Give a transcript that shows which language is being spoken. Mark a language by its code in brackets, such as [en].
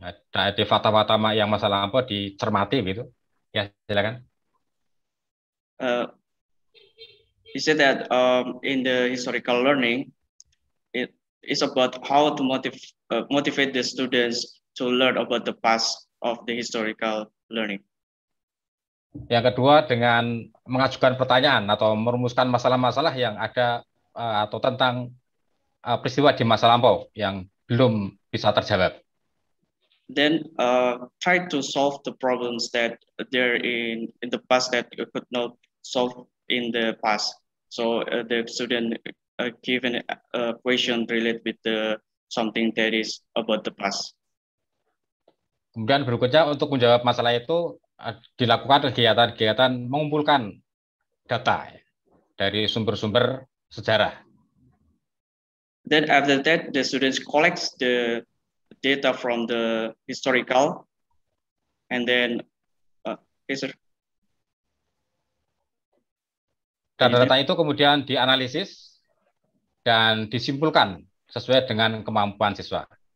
[id] Dari fakta-fakta yang masa lampau dicermati gitu. Ya, silakan. [en] He said that in the historical learning, it is about how to motivate the students to learn about the past of the historical learning. [id] Yang kedua, dengan mengajukan pertanyaan atau merumuskan masalah-masalah yang ada atau tentang peristiwa di masa lampau yang belum bisa terjawab. [en] Then try to solve the problems that there in the past that you could not solve in the past. So the student given a question related with the something that is about the past. [id] Kemudian berikutnya, untuk menjawab masalah itu dilakukan kegiatan-kegiatan mengumpulkan data dari sumber-sumber sejarah. [en] Then after that, the students collect the data from the historical, and then [id] data-data itu kemudian dianalisis dan disimpulkan sesuai dengan kemampuan siswa.